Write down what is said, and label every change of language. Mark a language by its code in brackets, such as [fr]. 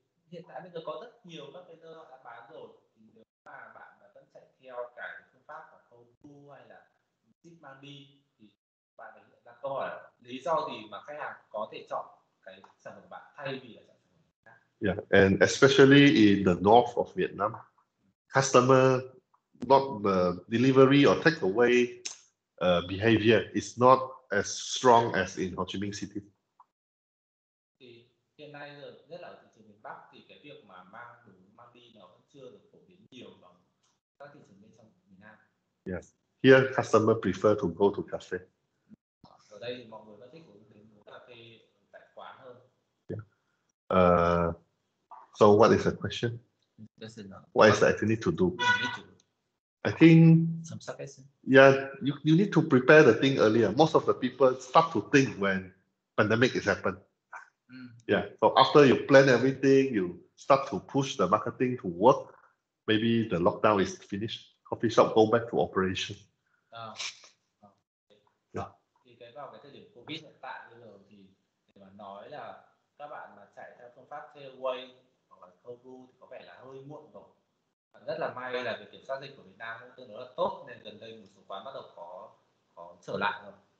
[vi] Hiện tại bây giờ có rất nhiều các cái nơi họ đã bán rồi. Nếu mà bạn đã vẫn chạy theo cái phương pháp của cold brew hay là ship mang đi, thì bạn phải đặt câu hỏi lý do gì mà khách hàng có thể chọn cái sản phẩm của bạn thay vì là sản phẩm khác. [en] Yeah, and especially in the north of Vietnam, customer not the delivery or takeaway behavior is not as strong as in Ho Chi Minh City. [vi] Thì hiện nay giờ rất là ở thị trường miền Bắc thì cái việc mà mang đi nó vẫn chưa được phổ biến nhiều bằng các thị trường bên trong miền Nam. [en] Yes, here customer prefer to go to cafe. [vi] Ở đây thì mọi người vẫn thích đến cà phê tại quán hơn. [en] Yeah. So what is the question? That's enough. What is the activity to do? I think some suggestion. Yeah, you need to prepare the thing earlier. Most of the people start to think when pandemic is happened. Yeah. So after you plan everything, you start to push the marketing to work, maybe the lockdown is finished, coffee shop go back to operation. [vi] Thì cái vào cái thời điểm Covid hiện tại bây giờ thì để mà nói là các bạn mà chạy theo phương pháp takeaway hoặc là cold brew thì có vẻ là hơi muộn rồi. Và rất là may là việc kiểm soát dịch của Việt Nam cũng tương đối là tốt nên gần đây một số quán bắt đầu có trở lại rồi.